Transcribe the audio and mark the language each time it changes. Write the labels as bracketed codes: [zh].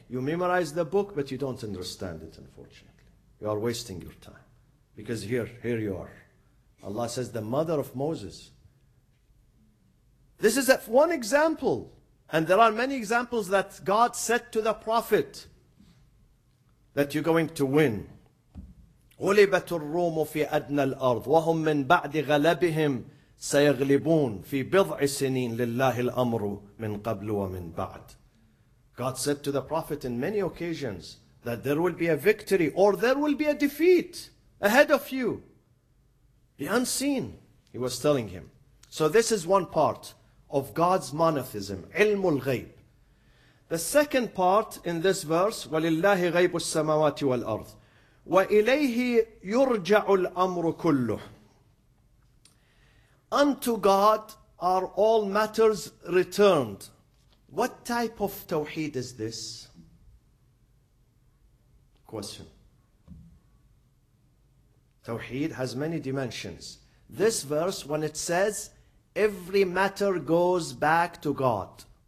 [en] You memorize the book, but you don't understand it, unfortunately. You are wasting your time. Because here you are. Allah says, the mother of Moses. This is one example. And there are many examples that God said to the prophet that you're going to win. [ar] غلبت الروم في أدنى الأرض وهم من بعد غلبهم سيغلبون في بضع سنين لله الأمر من قبل ومن بعد. [en] God said to the prophet in many occasions that there will be a victory or there will be a defeat ahead of you. The unseen, he was telling him. So this is one part of God's monotheism, [ar] علم الغيب. [en] The second part in this verse, [ar] ولله غيب السماوات والأرض وإليه يرجع الأمر كله. [en] Unto God are all matters returned. What type of tawheed is this? Question. Tawheed has many dimensions. This verse, when it says, every matter goes back to God.